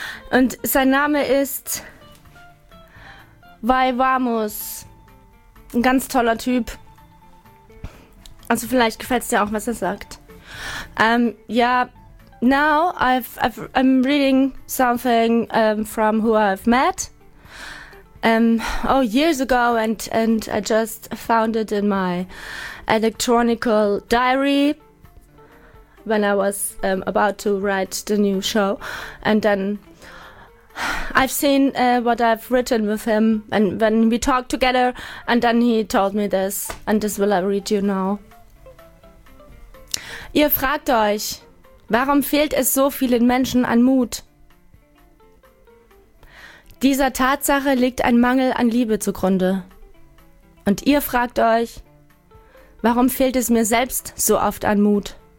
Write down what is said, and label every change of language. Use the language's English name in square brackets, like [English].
[German] Und sein Name ist Vaivamos. Ein ganz toller Typ. Also vielleicht gefällt es dir auch, was er sagt. [English] Now I'm reading something from who I've met. Years ago, and I just found it in my electronical diary when I was about to write the new show, and then I've seen what I've written with him, and when we talked together, and then he told me this, and this will I read you now. [German] Ihr fragt euch, warum fehlt es so vielen Menschen an Mut? Dieser Tatsache liegt ein Mangel an Liebe zugrunde. Und ihr fragt euch, warum fehlt es mir selbst so oft an Mut?